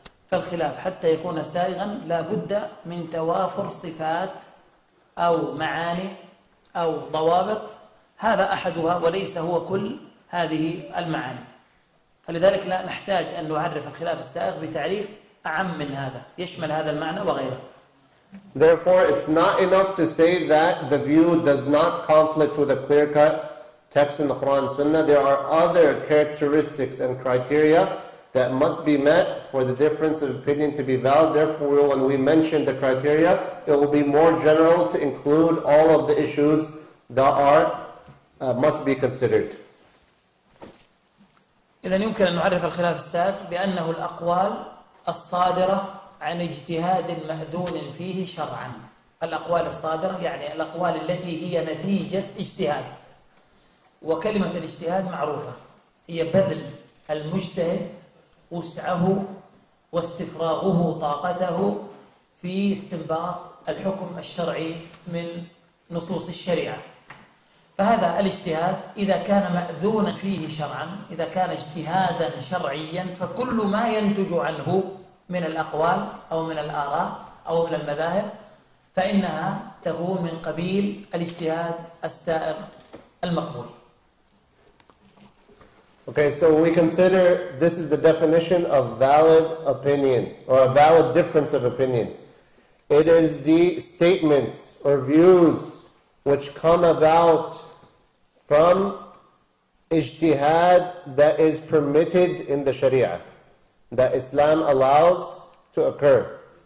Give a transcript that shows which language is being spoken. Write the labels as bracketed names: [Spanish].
[Arabic] فالخلاف حتى يكون سائغاً لا بد من توافر صفات أو معاني أو ضوابط، هذا أحدها وليس هو كل هذه المعاني. فلذلك لا نحتاج أن نعرف الخلاف السائغ بتعريف أعم من هذا يشمل هذا المعنى وغيره. [English] Therefore, it's not enough to say that the view does not conflict with a clear-cut text in the Quran and Sunnah. There are other characteristics and criteria that must be met for the difference of opinion to be valid. Therefore, when we mention the criteria, it will be more general to include all of the issues that are must be considered. [Arabic] إذن يمكن أن نعرف الخلاف السائغ بأنه الأقوال الصادرة عن اجتهاد مأذون فيه شرعا. الأقوال الصادرة يعني الأقوال التي هي نتيجة اجتهاد، وكلمة الاجتهاد معروفة هي بذل المجتهد وسعه واستفراغه طاقته في استنباط الحكم الشرعي من نصوص الشريعة. فهذا الاجتهاد إذا كان مأذونا فيه شرعا، إذا كان اجتهادا شرعيا، فكل ما ينتج عنه من الأقوال أو من الآراء أو من المذاهب فإنها تكون من قبيل الاجتهاد السائر المقبول. [English] Okay, so we consider this is the definition of valid opinion or a valid difference of opinion. It is the statements or views which come about from ijtihad that is permitted in the Sharia, that Islam allows to occur.